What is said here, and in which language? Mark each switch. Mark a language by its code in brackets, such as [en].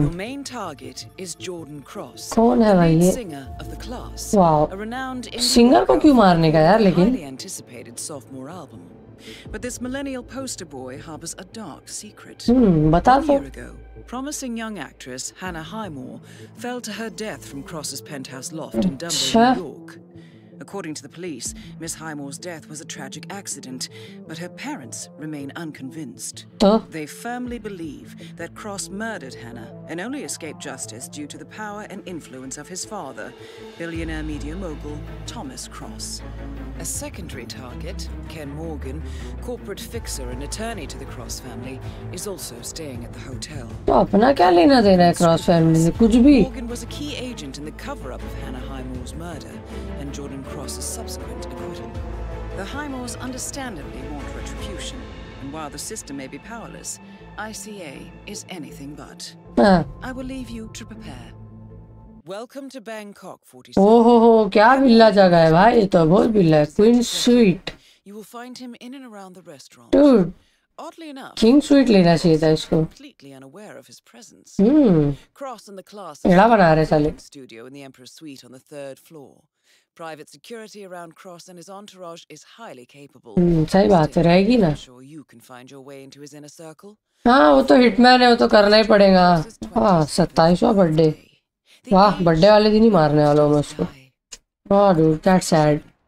[en] Your main target is Jordan Cross. [hi] कौन है भाई ये? [en] Wow. [hi] Singer को क्यों मारने का यार? लेकिन. [en] Highly anticipated sophomore album. But this millennial poster boy harbors a dark secret. [hi] बता दो. [en] Promising young actress Hannah Highmore fell to her death from Cross's penthouse loft in Dumbo, New York. According to the police, Miss Highmore's death was a tragic accident, but her parents remain unconvinced. They firmly believe that Cross murdered Hannah and only escaped justice due to the power and influence of his father, billionaire media mogul Thomas Cross. A secondary target, Ken Morgan, corporate fixer and attorney to the Cross family, is also staying at the hotel. [hi] अपना क्या लेना देना है cross family से कुछ भी? [en] Morgan was a key agent in the cover-up of Hannah Highmore's murder and Jordan Cross's subsequent acquittal. The Highmores understandably want retribution, and while the system may be powerless, ICA is anything but. I will leave you to prepare. Welcome to Bangkok 47. [hi] Oh, क्या बिल्ला जगह है भाई ये तो बहुत बिल्ला है Queen Suite. [en] You will find him in and around the restaurant. Dude. Oddly enough, [hi] King Suite लेना चाहिए था इसको. [en] Completely unaware of his presence. Cross and the class. [hi] इड़ा बना रहे साले. [en] Studio in the Emperor's Suite on the third floor. Private security around Cross and his entourage is highly capable. [hi] सही बात है रहेगी ना. [en] Sure you can find your way into his inner circle. [hi] हाँ वो तो हिटमैन है वो तो करना ही पड़ेगा. हाँ 27वां बर्थडे. वाह बर्थडे वाले दिन ही मारने वाले हम उसको. [en] Oh dude that sad.